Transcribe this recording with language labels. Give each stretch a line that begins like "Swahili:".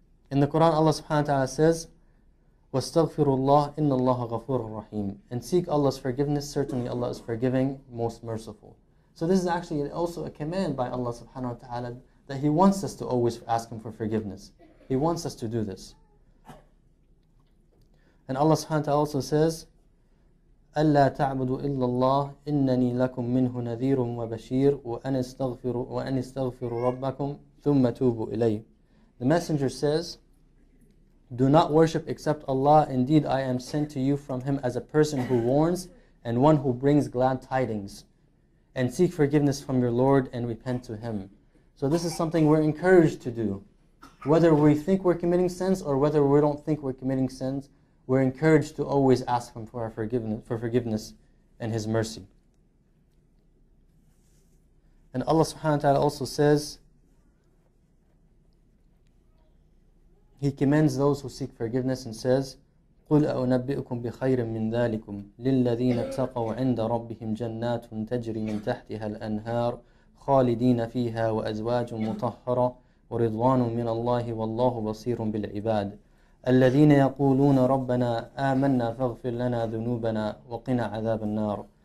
English: In the Quran, Allah subhanahu wa ta'ala says,
Arabic: وَاسْتَغْفِرُوا اللَّهِ إِنَّ اللَّهَ غَفُورٌ رَحِيمٌ.
English: And seek Allah's forgiveness. Certainly Allah is forgiving, most merciful. So this is actually also a command by Allah subhanahu wa ta'ala that He wants us to always ask Him for forgiveness. He wants us to do this. And Allah subhanahu wa ta'ala also says,
Arabic: أَلَّا تَعْبُدُوا إِلَّا اللَّهِ إِنَّنِي لَكُمْ مِنْهُ نَذِيرٌ وَبَشِيرٌ وَأَنِ اسْتَغْفِرُوا رَبَّكُمْ ثُمَّ تُوبُوا إِلَيْهِ.
English: The Messenger says, do not worship except Allah. Indeed, I am sent to you from Him as a person who warns and one who brings glad tidings. And seek forgiveness from your Lord and repent to Him. So this is something we're encouraged to do. Whether we think we're committing sins or whether we don't think we're committing sins, we're encouraged to always ask Him for forgiveness and His mercy. And Allah subhanahu wa ta'ala also says, He commends those who seek forgiveness and says,
Arabic: قُلْ أَوْنَبِّئُكُمْ بِخَيْرٍ مِّنْ ذَٰلِكُمْ لِلَّذِينَ اتَّقَوْا عِنْدَ رَبِّهِمْ جَنَّاتٌ تَجْرِي مِنْ تَحْتِهَا الْأَنْهَارُ خَالِدِينَ فِيهَا وَأَزْوَاجٌ مُطَهَّرَةٌ وَرِضْوَانٌ مِّنَ اللَّهِ وَاللَّهُ بَصِيرٌ بِالْعِبَادِ الَّذِينَ يَقُولُونَ رَبَّنَا آمَنَّا فَاغْفِرْ لَنَا ذُنُوبَنَا وَقِنَا عَذَابَ النَّارِ.